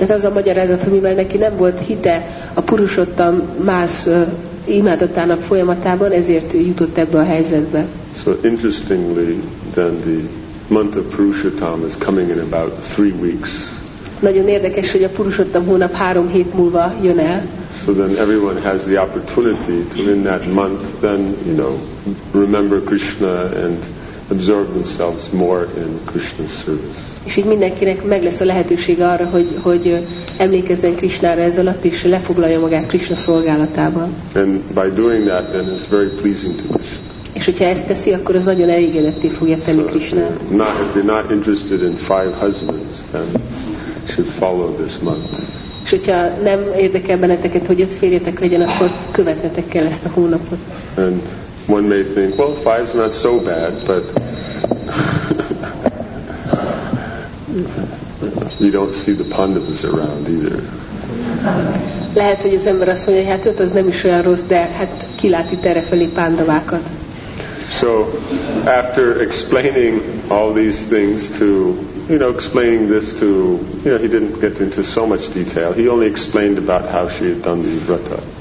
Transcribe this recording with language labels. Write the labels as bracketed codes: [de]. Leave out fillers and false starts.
[hu] Tehát az a magyarázat, hogy mivel neki nem volt hite a Purusottam más imádatának folyamatában, ezért jutott ebbe a helyzetbe. [en] So interestingly, then the month of Purushottam is coming in about 3 weeks. [hu] Nagyon érdekes, hogy a Purushottam hónap 3 hét múlva jön el. [en] So then everyone has the opportunity to in that month then, you know, remember Krishna and absorb themselves more in Krishna's service. [hu] És így mindenkinek meg lesz a lehetőség arra, hogy emlékezzen Krishnára ez alatt, és lefoglalja magát Krishna szolgálatában. [en] And by doing that, then it's very pleasing to Krishna. [hu] És hogyha ezt teszi, akkor az nagyon elégedetté fogja tenni Krishnát. [en] So if you're not interested in 5 husbands, then should follow this month. [hu] És hogyha nem érdekel benneteket, hogy 5 férjetek legyen, akkor követnetek kell ezt a hónapot. [en] And one may think, well, 5's not so bad, but we don't see the Pandavas around either. [hu] Lehet, hogy az ember azt mondja, hát 5 az nem is olyan rossz, de hát kiláti errefelé Pandavákat. [en] So, after explaining all these things to, you know, explaining this to, you know, he didn't get into so much detail. He only explained about how she had done the vrata.